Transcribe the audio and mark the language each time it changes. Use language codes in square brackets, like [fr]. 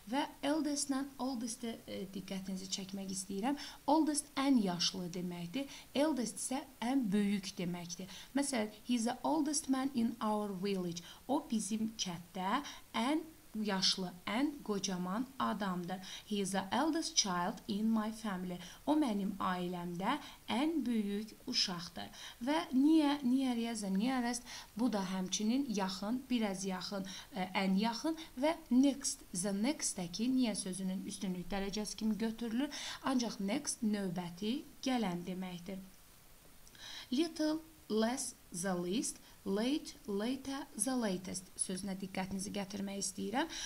[az] Və eldestlə oldest diqqətinizi çəkmək istəyirəm. Oldest ən yaşlı deməkdir. eldest isə ən böyük deməkdir. Məsələn, [en] he's the oldest man in our village. [az] O bizim kətdə ən yaşlı, ən qocaman adamdır. [en] He's the eldest child in my family. [az] O mənim ailəmdə ən böyük uşaqdır. Və nearest bu da həmçinin yaxın, biraz yaxın, ən yaxın və next, the next-dəki near sözünün üstünlük dərəcəsi kimi götürülür. Ancaq next növbəti gələn deməkdir. Little, less, the least, late, later, the latest sözünə diqqətinizi gətirmək istəyirəm.